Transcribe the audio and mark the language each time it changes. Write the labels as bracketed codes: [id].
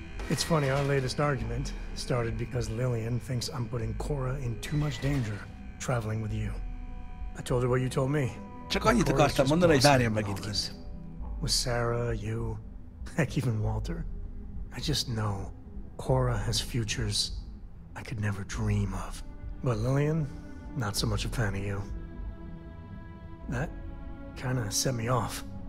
[en] It's funny, our latest argument started because Lillian thinks I'm putting Cora in too much danger traveling with you. I told her what you told me. [hu] Csak annyit akartam mondani, hogy várjam meg itt kint. [en] With Sarah, you, heck, even Walter. I just know Cora has futures I could never dream of. But Lillian, not so much a fan of you. That kind of set me off.